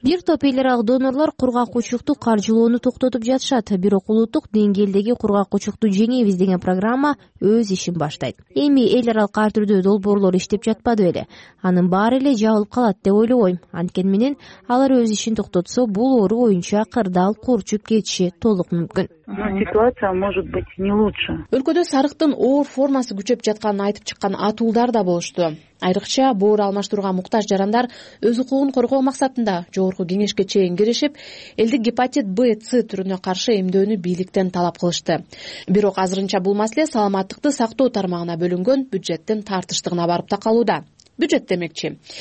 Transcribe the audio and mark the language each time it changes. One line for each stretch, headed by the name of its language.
Kyrgyz: Бир топ эл аралык донорлор кургак учукту каржылоону токтотуп жатышат, бирок улуттук деңгээлдеги кургак учукту жеңебиз деген программа өз ишин баштайт. Эми эл аралык ар түрдүү долбоорлор иштеп жатпады беле. Анын баары эле жабылып калат деп ойлобойм. Анткени менен алар өз ишин токтотсо, бул оору боюнча кырдаал курчуп кетиши толук мүмкүн.
Russian: Ситуация может быть не лучше.
Kyrgyz: Өлкөдө сарыктын оор формасы күчөп жатканын айтып чыккан атуулдар да болушту. Айрыкча боор алмаштырууга муктаж жарандар өз укугун коргоо максатында жогорку кеңешке чейин киришип, элдик гепатит Б, С түрүнө каршы эмдөөнү бийликтен талап кылышты. Бирок азырынча бул маселе саламаттыкты сактоо тармагына бөлүнгөн бюджеттин тартыштыгына барып такалууда. Бюджет демекчи.